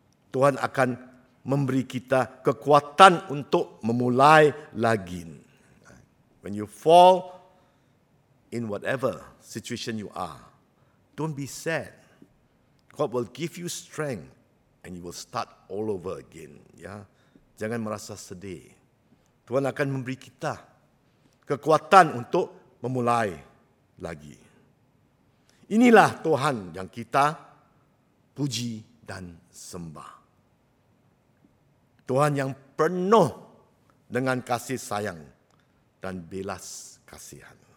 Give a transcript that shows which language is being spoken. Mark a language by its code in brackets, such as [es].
[id] Tuhan akan memberi kita kekuatan untuk memulai lagi. [en] When you fall in whatever situation you are, don't be sad. God will give you strength and you will start all over again. [id] Ya, jangan merasa sedih. Tuhan akan memberi kita kekuatan untuk memulai lagi. Inilah Tuhan yang kita puji dan sembah. Tuhan yang penuh dengan kasih sayang dan belas kasihan.